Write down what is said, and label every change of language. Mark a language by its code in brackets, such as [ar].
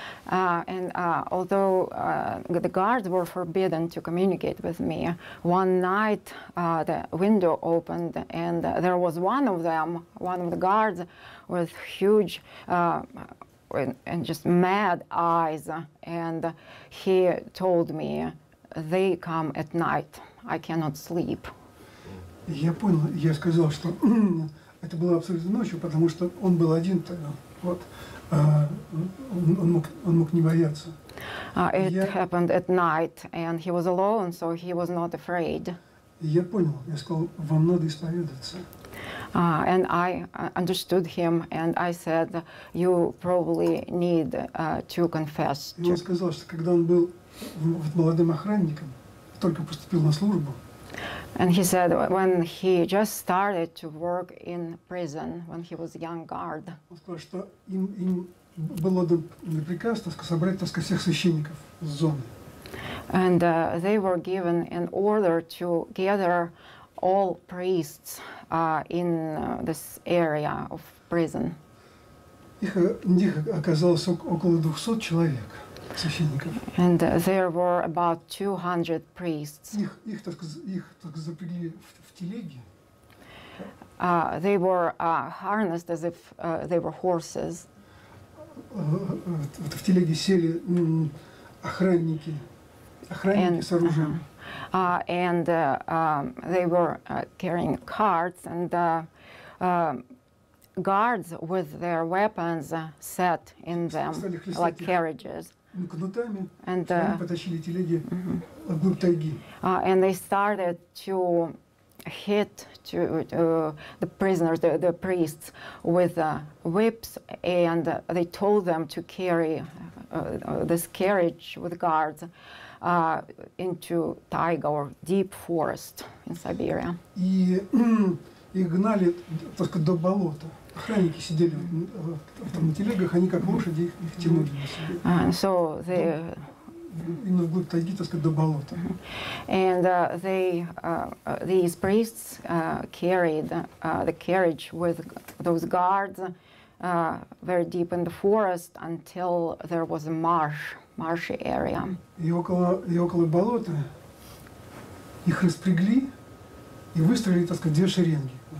[en] And although the guards were forbidden to communicate with me, one night the window opened and there was one of the guards with huge and just mad eyes, and he told me, they come at night, I cannot sleep. [ru] Я понял, я сказал, что это было абсолютно ночью, потому что он был один тогда, вот. Он мог не бояться. [en] Happened at night, and he was alone, so he was not afraid. [ru] Я понял. Я сказал, вам надо исповедаться. [en] And I understood him, and I said, you probably need to confess. [ru] И он сказал, что когда он был молодым охранником, только поступил на службу. [en] And he said, when he just started to work in prison, when he was a young guard. [ru] Он сказал, что им был отдан приказ, так сказать, собрать, так сказать, всех священников с зоны. [en] And they were given an order to gather all priests in this area of prison. [ru] Их оказалось около 200 человек. Священников. [en] And there were about 200 priests. [ru] Их так запрягли в телеги. [en] They were harnessed as if they were horses. [ru] В телеги сели охранники с оружием. [en] They were carrying carts, and guards with their weapons sat in them like carriages. [ru] Кнутами, [en] and [ru] потащили телеги вглубь тайги. [en] And they started to hit the prisoners, the priests, with whips, and they told them to carry this carriage with guards into taiga or deep forest in Siberia. [ru] И гнали только до болота. Охранники сидели на телегах, они как лошади их тянули на себе. [en] So they [ru] именно вглубь тайги, так сказать, до болота. [en] And they these priests carried the carriage with those guards very deep in the forest until there was a marshy area. [ru] И около болота их распрягли и выстроили, так сказать, две шеренги.